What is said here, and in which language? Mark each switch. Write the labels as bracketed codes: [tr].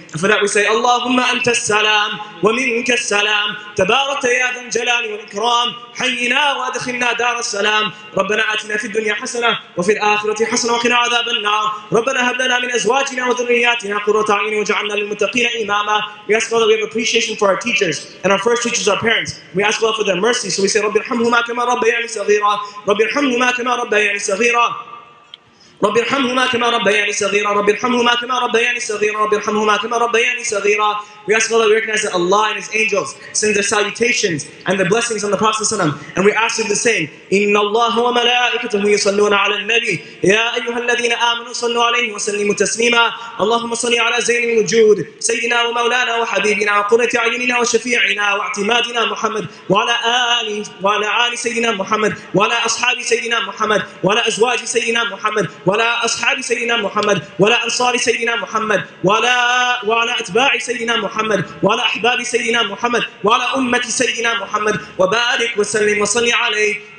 [ar] And for that we say, Allahumma anta as-salam, wa minka as-salam, tabarakta ya dhal jalali wal ikram, hayyina wa adkhilna dar as-salam, rabbana atina fid dunya hasana, wa fil akhirati hasana, wa qina adhab an-nar, rabbana hab lana min أزواجنا وذرياتنا قرة أعين وجعلنا للمتقين إماما. [en] We ask Allah that we have appreciation for our teachers, and our first teachers, our parents. We ask Allah for their mercy. So we say, [ar] رب ارحمهما كما ربياني صغيرا. رب ارحمهما كما ربياني صغيرا. رب ارحمهما كما ربياني صغيرا. رب ارحمهما كما ربياني صغيرا. رب ارحمهما كما ربياني صغيرا. [en] We ask Allah that we recognize that Allah and His angels send their salutations and their blessings on the Prophet ﷺ, and we ask Him the same. [ar] إن الله وملائكته يصلون على النبي يا أيها الذين آمنوا صلوا عليه وسلموا تسليما. اللهم صل على زين الوجود سيدنا ومولانا وحبيبنا وقرة عيننا وشفيعنا واعتمادنا محمد وعلى آل سيدنا محمد وعلى أصحاب سيدنا محمد وعلى أزواج سيدنا محمد ولا أصحاب سيدنا محمد ولا أنصار سيدنا محمد وعلى أتباع سيدنا محمد وعلى أحباب سيدنا محمد وعلى أمة سيدنا محمد وبارك وسلم وصلي عليه.